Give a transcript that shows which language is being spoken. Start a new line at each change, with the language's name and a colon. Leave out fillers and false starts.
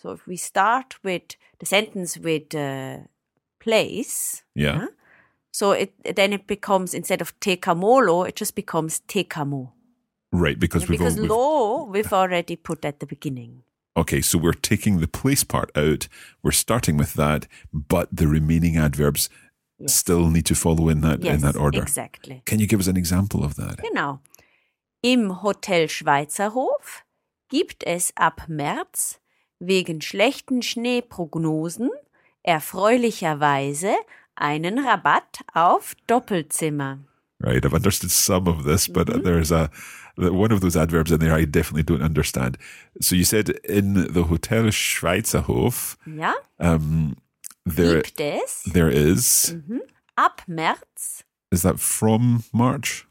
English: So if we start with the sentence with place, so it becomes, instead of tekamolo, it just becomes tekamo. Right, because we've because lo we've already put at the beginning. Okay, so we're taking the place part out, we're starting with that, but the remaining adverbs still need to follow in that order. Exactly. Can you give us an example of that? You know,
German: Im Hotel Schweizerhof gibt es ab März wegen schlechten Schneeprognosen erfreulicherweise einen Rabatt auf Doppelzimmer.
English: Right, I've understood some of this, but there's one of those adverbs in there I definitely don't understand. So you said in the Hotel Schweizerhof.
German: Ja. Gibt es.
English: There is.
German: Mm-hmm. Ab März.
English: Is that from March